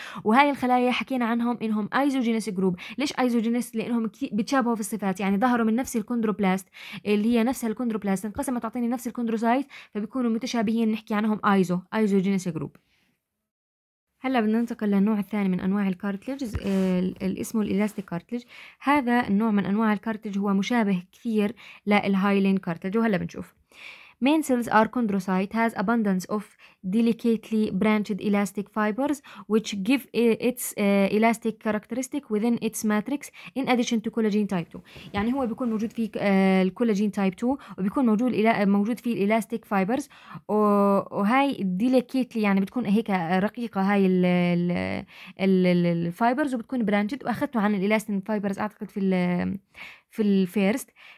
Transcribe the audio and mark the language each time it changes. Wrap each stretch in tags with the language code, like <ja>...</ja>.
<ar>وهاي الخلايا حكينا عنهم انهم ايزوجينس جروب. ليش ايزوجينس؟ لانهم بتشابهوا في الصفات، يعني ظهروا من نفس الكوندروبلاست اللي هي نفسها الكوندروبلاست انقسمت تعطيني نفس الكوندروسايت، فبيكونوا متشابهين نحكي عنهم ايزو ايزوجينس جروب. هلا بدنا ننتقل للنوع الثاني من انواع الكارتليج، اسمه الالاستيك كارتليج. هذا النوع من انواع الكارتليج هو مشابه كثير للهايلين كارتليج، وهلا بنشوف.</ar> <en>Main cells are chondrocyte has abundance of delicately branched elastic fibers which give its elastic characteristic within its matrix in addition to collagen type 2.</en> <ar>يعني هو بيكون موجود فيه الكولاجين تايب 2 وبيكون موجود موجود فيه الالاستيك فايبرز، وهاي delicately يعني بتكون هيك رقيقه هاي الفايبرز وبتكون branched. واخذته عن الالاستين فايبرز اعتقد في الفيرست.</ar>